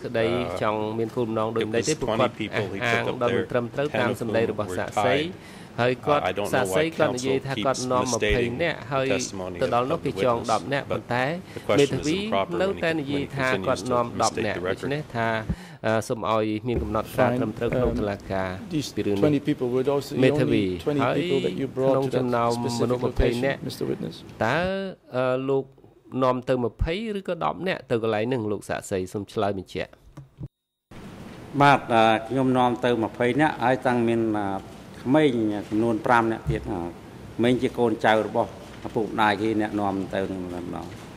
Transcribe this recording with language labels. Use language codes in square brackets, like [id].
[en] It was 20 people he took up there, 10 of whom were tied. I don't know why council keeps misstating the testimony of the witness, but the question is improper when he continues to misstate the record. [km] Some ឲ្យ មាន កំណត់ ត្រា ត្រឹម ត្រូវ ក្នុង ទីលាការ ពីរឿង នេះ [en] 20 people were also the only 20 people that you brought to that specific location Mr. Witness [km] តើ លោក នាំ ទៅ 20 ឬ ក៏ 10 នាក់ ទៅ កន្លែង នឹង លោក សាក្សី សូម ឆ្លើយ បញ្ជាក់ បាទ ខ្ញុំ នាំ ទៅ 20 នាក់ ហើយ តាំង មាន ក្មេង ចំនួន 5 នាក់ ទៀត ក្មេង ជា កូន ចៅ របស់ ឪពុក ម្ដាយ គេ អ្នក នាំ ទៅ នឹង ម្ដង